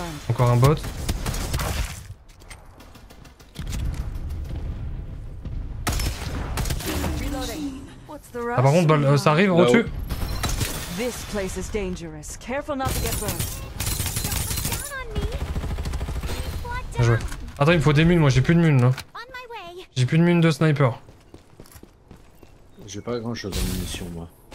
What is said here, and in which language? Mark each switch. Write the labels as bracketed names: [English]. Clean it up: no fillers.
[French] Encore un bot. Ah par contre, bah, ça arrive, on tue. [English] This place is dangerous. Careful not to get burned. [French] Bien joué. Attends, il me faut des mines, moi j'ai plus de mines là. J'ai plus de mines de sniper. J'ai pas grand chose en munitions moi.